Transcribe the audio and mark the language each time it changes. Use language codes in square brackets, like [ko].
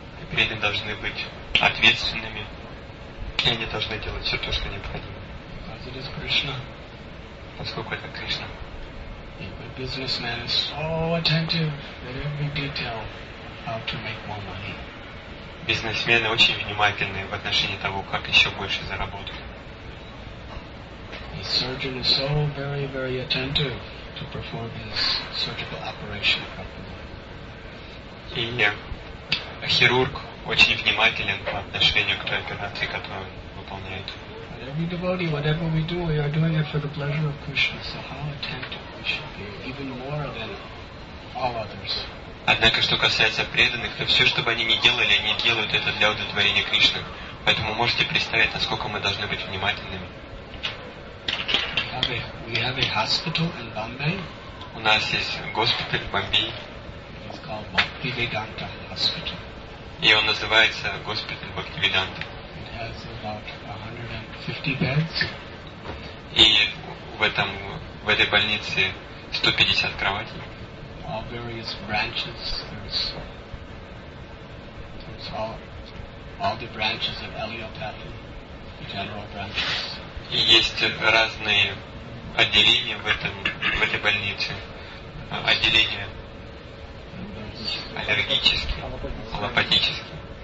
[ru] преданные должны быть ответственными, и они должны делать все то, что необходимо. [en] Because it is Krishna. [ru] Поскольку это Кришна. [en] A businessman is so attentive that every detail how to make more money. [ru] Бизнесмены очень внимательны в отношении того, как еще больше заработать. [en] The surgeon is so very, very attentive to perform his surgical operation properly. [ru] И хирург очень внимателен по отношению к той операции, которую выполняет. [en] Every devotee, whatever we do, we are doing it for the pleasure of Krishna. So how attentive we should be, even more than all others. [ru] Однако, что касается преданных, то все, что бы они ни делали, они делают это для удовлетворения Кришны. Поэтому можете представить, насколько мы должны быть внимательными. [en] We have a hospital in Bombay. [ru] У нас есть госпиталь в Бомбее. [en] It's called Bhaktivedanta Hospital. [ru] И он называется госпиталь Бхактивиданта. [en] It has about 150 beds. [ru] И в этой больнице 150 кроватей. [en] All various branches. There's all the branches of allopathy, general branches. [ru] И есть разные отделения в этой больнице. Отделения аллергические, аллопатические.